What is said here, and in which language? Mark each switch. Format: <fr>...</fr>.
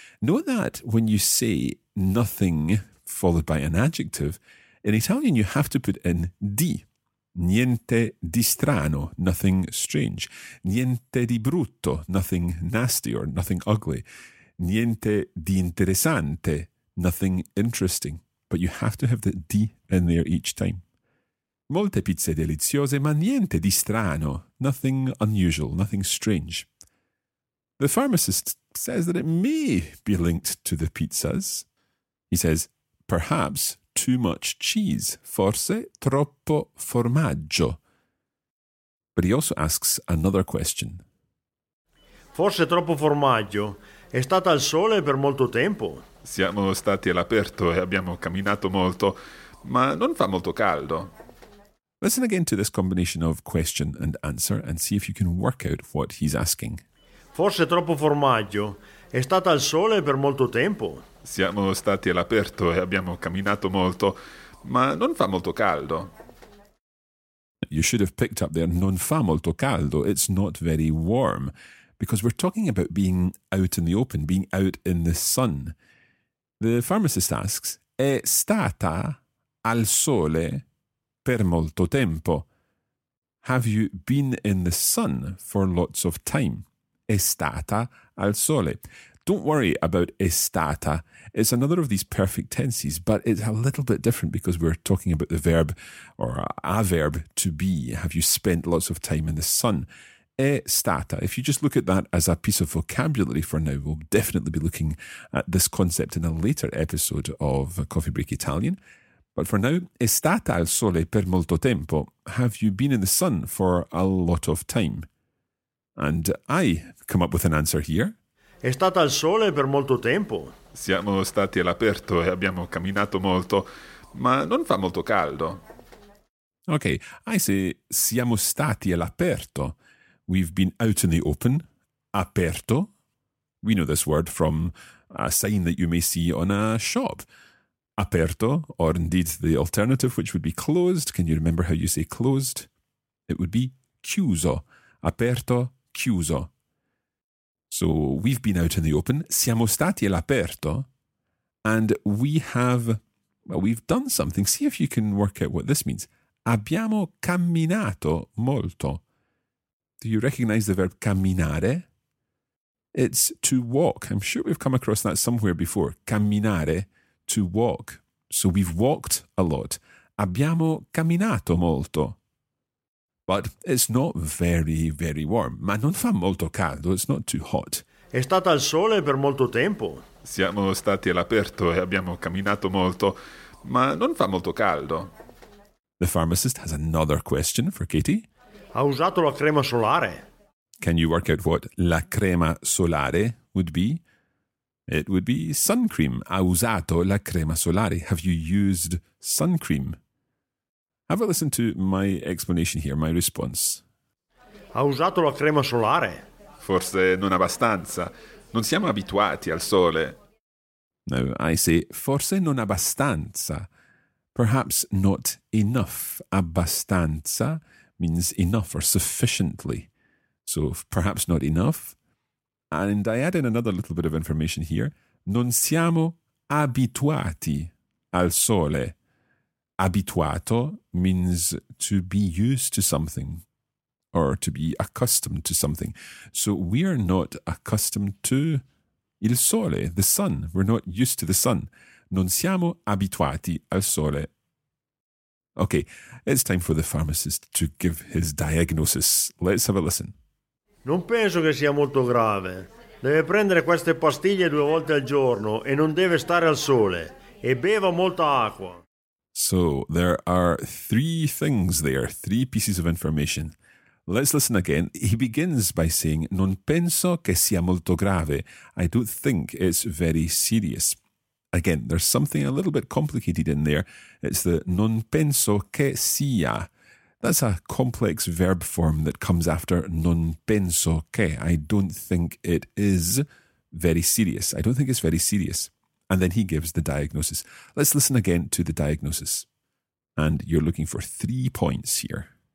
<en>Note that when you say nothing followed by an adjective, in Italian, you have to put in di.</en> <it>Niente di strano,</it> <en>nothing strange.</en> <it>Niente di brutto,</it> <en>nothing nasty or nothing ugly.</en> <it>Niente di interessante,</it> <en>nothing interesting. But you have to have the di in there each time.</en> <it>Molte pizze deliziose, ma niente di strano.</it> <en>Nothing unusual, nothing strange. The pharmacist says that it may be linked to the pizzas. He says, perhaps too much cheese,</en> <it>forse troppo formaggio.</it> <en>But he also asks another question.</en> <it>Forse troppo formaggio. È stata al sole per molto tempo. Siamo stati all'aperto e abbiamo camminato molto, ma non fa molto caldo.</it> <en>Listen again to this combination of question and answer and see if you can work out what he's asking.</en> <it>Forse troppo formaggio. È stata al sole per molto tempo. Siamo stati all'aperto e abbiamo camminato molto, ma non fa molto caldo.</it> <en>You should have picked up there,</en> <it>non fa molto caldo,</it> <en>it's not very warm. Because we're talking about being out in the open, being out in the sun. The pharmacist asks,</en> <it>è stata al sole per molto tempo?</it> <en>Have you been in the sun for lots of time?</en> <it>È stata al sole.</it> <en>Don't worry about</en> <it>è stata.</it> <en>It's another of these perfect tenses, but it's a little bit different because we're talking about the verb or a verb to be. Have you spent lots of time in the sun?</en> <it>È stata.</it> <en>If you just look at that as a piece of vocabulary for now, we'll definitely be looking at this concept in a later episode of Coffee Break Italian. But for now,</en> <it>è stata al sole per molto tempo.</it> <en>Have you been in the sun for a lot of time? And I come up with an answer here.</en> <it>È stata al sole per molto tempo. Siamo stati all'aperto e abbiamo camminato molto, ma non fa molto caldo.</it> <en>Okay, I say</en> <it>siamo stati all'aperto.</it> <en>We've been out in the open, aperto. We know this word from a sign that you may see on a shop. Aperto, or indeed the alternative, which would be closed. Can you remember how you say closed? It would be chiuso.</en> <it>Aperto, chiuso.</it> <en>So we've been out in the open,</en> <it>siamo stati all'aperto,</it> <en>and we have, well, we've done something. See if you can work out what this means.</en> <it>Abbiamo camminato molto.</it> <en>Do you recognize the verb camminare? It's to walk. I'm sure we've come across that somewhere before. Camminare, to walk. So we've walked a lot.</en> <it>Abbiamo camminato molto.</it> <en>But it's not very, very warm.</en> <it>Ma non fa molto caldo.</it> <en>It's not too hot.</en> <it>È stata al sole per molto tempo. Siamo stati all'aperto e abbiamo camminato molto. Ma non fa molto caldo.</it> <en>The pharmacist has another question for Katie.</en> <it>Ha usato la crema solare.</it> <en>Can you work out what</en> <it>la crema solare</it> <en>would be? It would be sun cream.</en> <it>Ha usato la crema solare.</it> <en>Have you used sun cream? Have a listen to my explanation here, my response.</en> <it>Ha usato la crema solare. Forse non abbastanza. Non siamo abituati al sole.</it> <en>Now I say</en> <it>forse non abbastanza.</it> <en>Perhaps not enough. Abbastanza means enough or sufficiently. So perhaps not enough. And I add in another little bit of information here.</en> <it>Non siamo abituati al sole.</it> <en>Abituato means to be used to something or to be accustomed to something. So we are not accustomed to il sole, the sun. We're not used to the sun.</en> <it>Non siamo abituati al sole.</it> <en>Okay, it's time for the pharmacist to give his diagnosis. Let's have a listen.</en> <it>Non penso che sia molto grave. Deve prendere queste pastiglie due volte al giorno e non deve stare al sole. E beva molta acqua.</it> <en>So there are three things there, three pieces of information. Let's listen again. He begins by saying,</en> <it>non penso che sia molto grave.</it> <en>I don't think it's very serious. Again, there's something a little bit complicated in there. It's the</en> <it>non penso che sia.</it> <en>That's a complex verb form that comes after</en> <it>non penso che.</it> <en>I don't think it is very serious. I don't think it's very serious. And then he gives the diagnosis. Let's listen again to the diagnosis. And you're looking for 3 points here.</en>